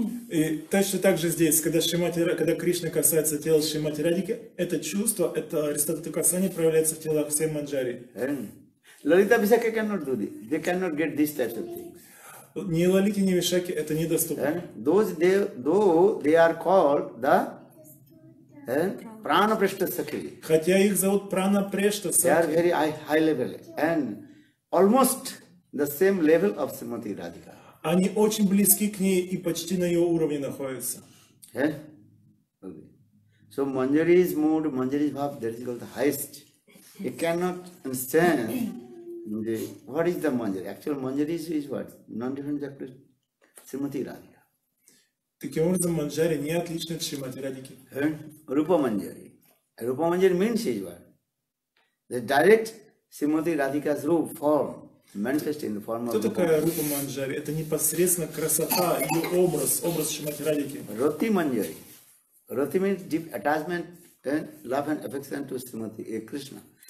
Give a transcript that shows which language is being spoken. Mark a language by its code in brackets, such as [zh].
[ru] И точно так же здесь, когда Шримати, когда Кришна касается тела Шримати Радхики, это чувство, это результат касания проявляется в телах всех Манджари. [en] Лалита Вишакхи cannot do this. They cannot get these types of things. [ru] Ни Лалите, ни Вишакхи это недоступно. [en] Though they are called the Prana Preshta Sakhi. [ru] Хотя их зовут Prana Preshta Sakhi. [en] They are very high level and almost the same level of Shrimati Radhika. [ru] Они очень близки к ней и почти на ее уровне находятся. [en] Yeah? Okay. So Manjari's mood, Manjari's bhav, that is called the highest. He cannot understand the, what is the Manjari. Actually, Manjari is what? Non-different actually. Shrimati Radhika. [ru] Таким образом, Манджари не отличны от Шримати Радхики. [en] Рупа Манджари. Рупа Манджари means is what? The direct Shrimati Radhika's rupa form. Manifest in the form of [ru] Rupa. Кто такая Рупа Манджари? Это непосредственно красота, ее образ, образ Шримати Радхики. Рати Манджари. [en] Рати means deep attachment and love and affection to Shrimati Krishna.